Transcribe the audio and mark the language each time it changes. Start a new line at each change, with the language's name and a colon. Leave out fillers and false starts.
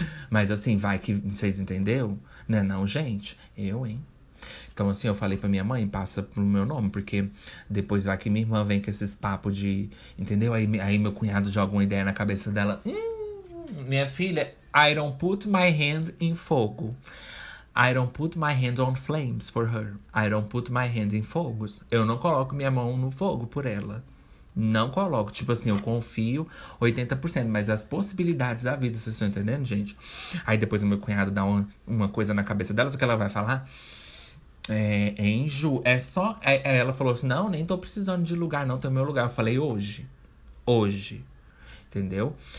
Portuguese: Mas assim, vai que vocês entenderam, né? Não, gente, eu, hein? Então, assim, eu falei pra minha mãe, passa pro meu nome, porque depois vai que minha irmã vem com esses papos de. Entendeu? Aí meu cunhado joga uma ideia na cabeça dela. Minha filha,
English: I don't put my hand in fogo. I don't put my hand on flames for her. I don't put my hand in fogos.
Portuguese: Eu não coloco minha mão no fogo por ela. Não coloco. Tipo assim, eu confio 80%, mas as possibilidades da vida, vocês estão entendendo, gente? Aí depois o meu cunhado dá uma coisa na cabeça dela, só que ela vai falar. É, Ju, é só. Ela falou assim: não, nem tô precisando de lugar, não, tem o meu lugar. Eu falei: hoje. Hoje. Entendeu?